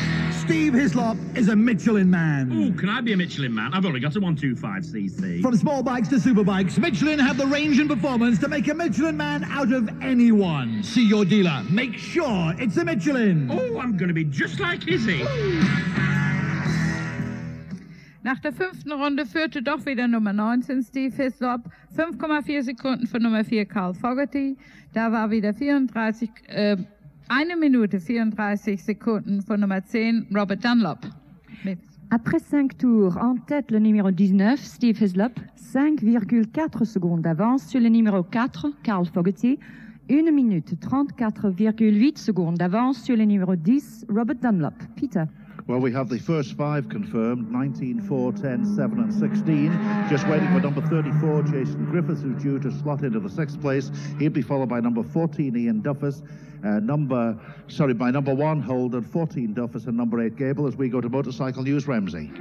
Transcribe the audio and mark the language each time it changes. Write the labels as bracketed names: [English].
[English] Steve Hislop is a Michelin man. Ooh, can I be a Michelin man? I've only got a 125cc. From small bikes to superbikes, Michelin have the range and performance to make a Michelin man out of anyone. See your dealer. Make sure it's a Michelin. Ooh, I'm going to be just like Izzy. [German] Nach der fünften Runde führte doch wieder Nummer 19 Steve Hislop 5,4 Sekunden von Nummer 4 Carl Fogarty. Da war wieder 1 Minute 34 Sekunden von Nummer 10, Robert Dunlop. [French] Après 5 tours, en tête le numéro 19, Steve Hislop, 5,4 secondes d'avance sur le numéro 4, Carl Fogarty, 1 minute 34,8 secondes d'avance sur le numéro 10, Robert Dunlop. [English] Peter. Well, we have the first five confirmed, 19, 4, 10, 7 and 16. Just waiting for number 34, Jason Griffiths, who's due to slot into the sixth place. He'll be followed by number 14, Ian Duffus. By number 1, Holden, 14, Duffus and number 8, Gable, as we go to Motorcycle News, Ramsey.